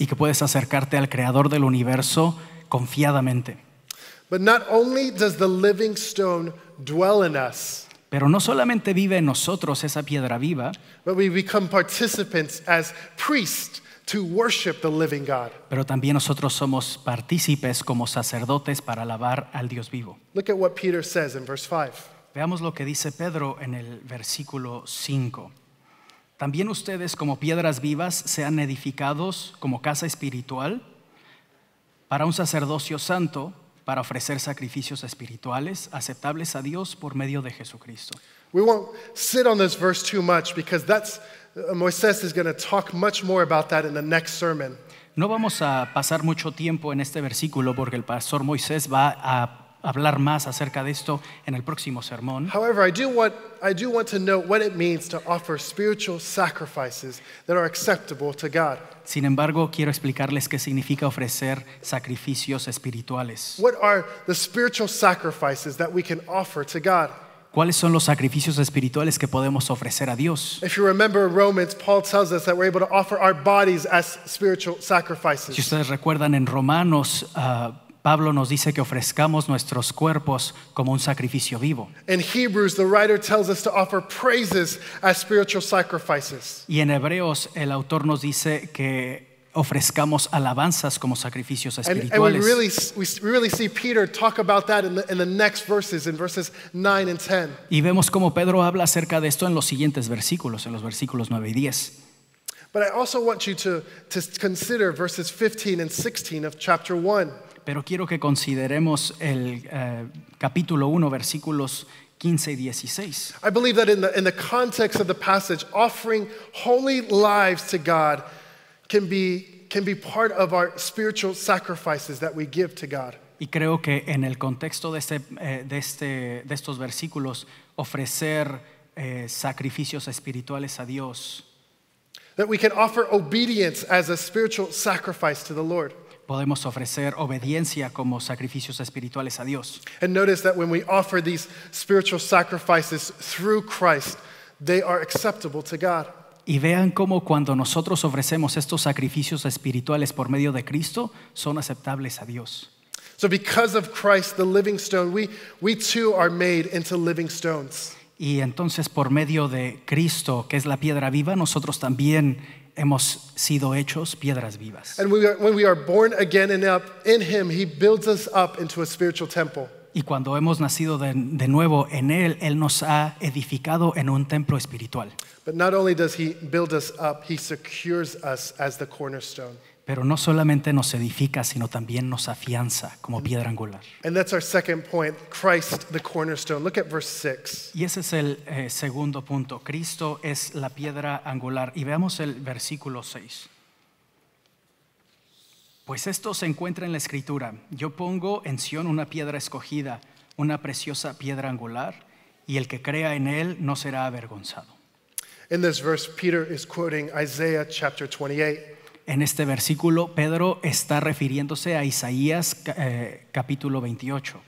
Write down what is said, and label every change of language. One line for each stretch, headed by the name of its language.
Spanish: Y que puedes acercarte al Creador del universo confiadamente.
English: But not only does the living stone dwell in us.
Spanish: Pero no solamente vive en nosotros esa piedra viva.
English: But we become participants as priests to worship the living God.
Spanish: Pero también nosotros somos partícipes como sacerdotes para alabar al Dios vivo.
English: Look at what Peter says in verse 5.
Spanish: Veamos lo que dice Pedro en el versículo 5. También ustedes como piedras vivas sean edificados como casa espiritual para un sacerdocio santo para ofrecer sacrificios espirituales aceptables a Dios por medio de Jesucristo.
English: We won't sit on this verse too much because Moisés is going to talk much more about that in the next sermon.
Spanish: No vamos a pasar mucho tiempo en este versículo porque el pastor Moisés va a hablar más acerca de esto en el próximo sermón.
English: However, I do want to note what it means to offer spiritual sacrifices that are acceptable to God.
Spanish: Sin embargo, quiero explicarles qué significa ofrecer sacrificios espirituales.
English: What are the spiritual sacrifices that we can offer to God?
Spanish: ¿Cuáles son los sacrificios espirituales que podemos ofrecer a Dios?
English: If you remember Romans, Paul tells us that we're able to offer our bodies as spiritual sacrifices.
Spanish: Si ustedes recuerdan en Romanos, Pablo nos dice que ofrezcamos nuestros cuerpos como un sacrificio vivo.
English: In Hebrews, the writer tells us to offer praises as spiritual sacrifices.
Spanish: Y en Hebreos, el autor nos dice que ofrezcamos alabanzas como sacrificios espirituales.
English: And we really see Peter talk about that in the next verses, in verses 9 and 10.
Spanish: Y vemos cómo Pedro habla acerca de esto en los siguientes versículos, en los versículos 9 y 10.
English: But I also want you to consider verses 15 and 16 of chapter 1.
Spanish: Pero quiero que consideremos el capítulo 1, versículos 15 y 16.
English: I believe that in the context of the passage, offering holy lives to God can be part of our spiritual sacrifices that we give to God.
Spanish: Y creo que en el contexto de estos versículos, ofrecer sacrificios espirituales a Dios.
English: That we can offer obedience as a spiritual sacrifice to the Lord.
Spanish: Podemos ofrecer obediencia como sacrificios espirituales a Dios.
English: And notice that when we offer these spiritual sacrifices through Christ, they are acceptable to God.
Spanish: Y vean cómo cuando nosotros ofrecemos estos sacrificios espirituales por medio de Cristo, son aceptables a Dios.
English: So because of Christ, the living stone, we too are made into living stones.
Spanish: Y entonces por medio de Cristo, que es la piedra viva, nosotros también hemos sido hechos piedras vivas.
English: And when we are born again and up in him, he builds us up into a spiritual temple.
Spanish: Y cuando hemos nacido de nuevo en él, él nos ha edificado en un templo espiritual.
English: But not only does he build us up, he secures us as the cornerstone.
Spanish: Pero no solamente nos edifica, sino también nos afianza como piedra angular.
English: And that's our second point, Christ the cornerstone. Look at verse 6.
Spanish: Y ese es el segundo punto. Cristo es la piedra angular. Y veamos el versículo 6. Pues esto se encuentra en la Escritura. Yo pongo en Sion una piedra escogida, una preciosa piedra angular, y el que crea en él no será avergonzado.
English: In this verse, Peter is quoting Isaiah chapter 28.
Spanish: En este versículo, Pedro está refiriéndose a Isaías capítulo 28.